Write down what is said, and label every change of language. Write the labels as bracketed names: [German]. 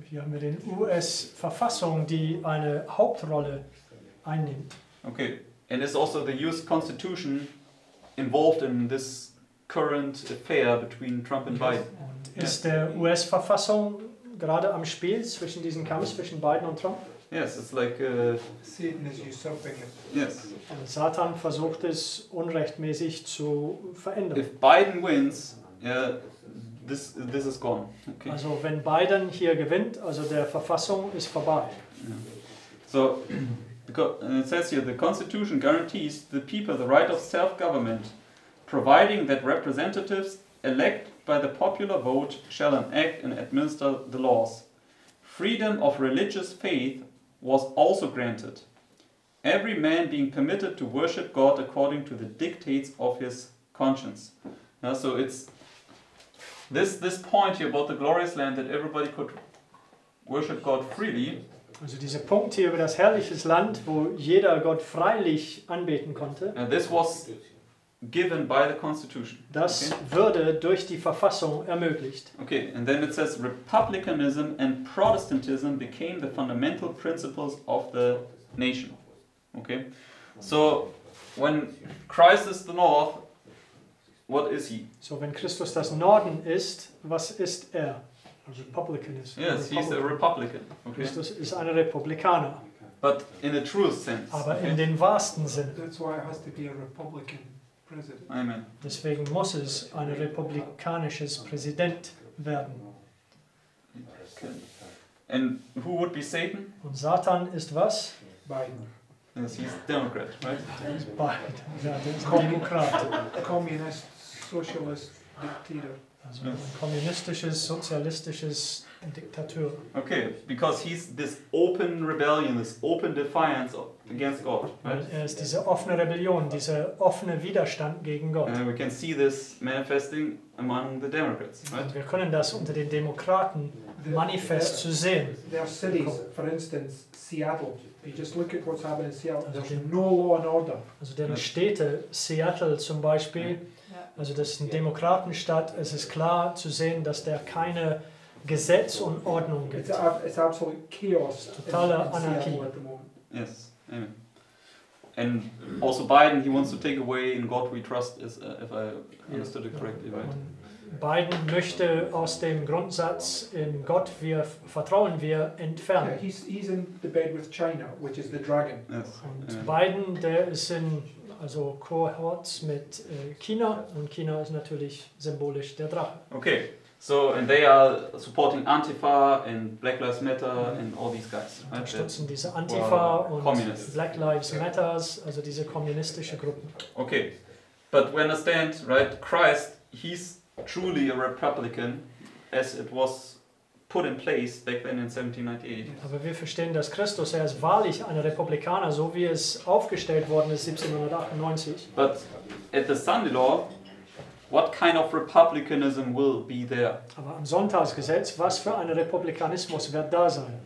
[German] hier haben wir den US-Verfassung, die eine Hauptrolle einnimmt. [English] Okay. And it's also the US Constitution involved in this current affair between Trump and Biden. [German] Und ist der US-Verfassung gerade am Spiel zwischen diesem Kampf zwischen Biden und Trump? [English] Yes, it's like Satan is usurping it. Yes. [German] Und Satan versucht es unrechtmäßig zu verändern. [English] If Biden wins, this is gone. Okay. [German] Also wenn Biden hier gewinnt, also der Verfassung ist vorbei. [English] Yeah. So. Because it says here, the Constitution guarantees the people the right of self-government, providing that representatives elect by the popular vote shall enact and administer the laws. Freedom of religious faith was also granted, every man being permitted to worship God according to the dictates of his conscience. Now, so it's this point here about the glorious land that everybody could worship God freely. [German] Also dieser Punkt hier über das herrliche Land, wo jeder Gott freilich anbeten konnte. [English] And this was given by the Constitution. [German] Das würde durch die Verfassung ermöglicht. [English] Okay, and then it says Republicanism and Protestantism became the fundamental principles of the nation. Okay, so when Christ is the North, what is he? [German] So wenn Christus das Norden ist, was ist er? [English] Republicanism. Yes, he's a Republican. Okay. [German] Christus ist ein Republikaner. [English] But in the truest sense. [German] Aber in den wahrsten Sinn. [English] That's why it has to be a Republican president. Amen. [German] Deswegen muss es ein republikanisches Präsident werden. [English] Okay. And who would be Satan? [German] Und Satan ist was? [English] Biden. Yes, he's a Democrat, right? [German] Biden. Ja, der ist Demokrat. [English] Communist, socialist, dictator. [German] Also ein kommunistisches, sozialistisches Diktatur. [English] Okay, because he's this open rebellion, this open defiance against God. Right? [German] Er ist diese offene Rebellion, dieser offene Widerstand gegen Gott. [English] And we can see this manifesting among the Democrats. Right? [German] Wir können das unter den Demokraten manifest zu sehen. [English] There are cities, for instance, Seattle. You just look at what's happening in Seattle. Also there's no law and order. [German] Also deren Städte, Seattle zum Beispiel. Yeah. Also das ist eine Demokratenstadt, es ist klar zu sehen, dass da keine Gesetz und Ordnung gibt. Es ist absolut Chaos. Totale Anarchie. [English] Yes, amen. And also Biden, he wants to take away in God we trust, if I understood it correctly, right? [German] Biden möchte aus dem Grundsatz in Gott wir vertrauen wir entfernen. [English] Yeah, he's in the bed with China, which is the dragon. Yes. [German] Und Biden, der ist in... Also Kohorts mit China, und China ist natürlich symbolisch der Drache. [English] Okay, so and they are supporting Antifa and Black Lives Matter and all these guys. [German] Unterstützen diese Antifa und communists. Black Lives Matters, also diese kommunistische Gruppen. [English] Okay, but we understand, right, Christ, he's truly a Republican, as it was put in place back then in 1798. [German] Aber wir verstehen, dass Christus, er ist wahrlich ein Republikaner, so wie es aufgestellt worden ist 1798. [English] But at the Sunday law, What kind of republicanism will be there? [German] Aber am Sonntagsgesetz, was für ein Republikanismus wird da sein?